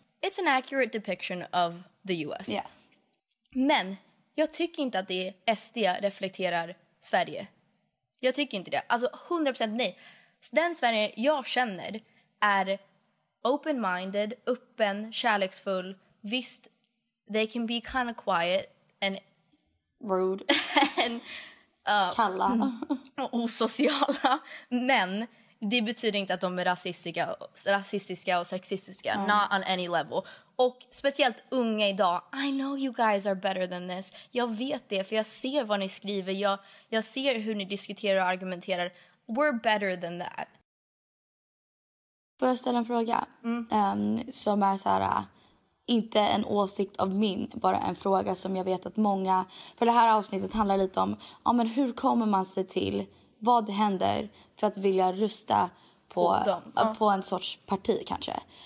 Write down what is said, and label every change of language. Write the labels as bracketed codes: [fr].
[en] It's an accurate depiction of the US. Yeah. [sv] Men jag tycker inte att det SD reflekterar Sverige. Jag tycker inte det. Alltså 100% nej. Den Sverige jag känner är open-minded, öppen, kärleksfull. [en] Visst, they can be kind of quiet and rude and [sv] kalla och osociala, men det betyder inte att de är rasistiska och sexistiska. [en] Mm. Not on any level. Och speciellt unga idag, I know you guys are better than this. [sv] Jag vet det, för jag ser vad ni skriver, jag ser hur ni diskuterar och argumenterar. [en] We're better than that. [sv] Får jag ställa en fråga? Mm. Som är såhär, inte en åsikt av min, bara en fråga som jag vet att många, för det här avsnittet handlar lite om, ja, men hur kommer man se till, vad händer för att vilja rösta på en sorts parti kanske?